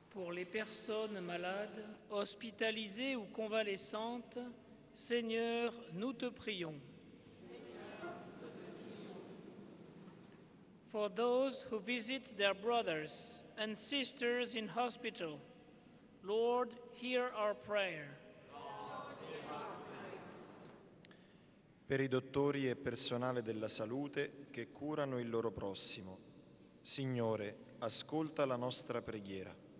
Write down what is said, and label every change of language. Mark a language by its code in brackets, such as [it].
[fr] les personnes malades, hospitalisées ou convalescentes, Seigneur, nous te prions. [en] For those who visit their brothers and sisters in hospital, Lord, hear our prayer. [it] Per i dottori e personale della salute che curano il loro prossimo, Signore, ascolta la nostra preghiera.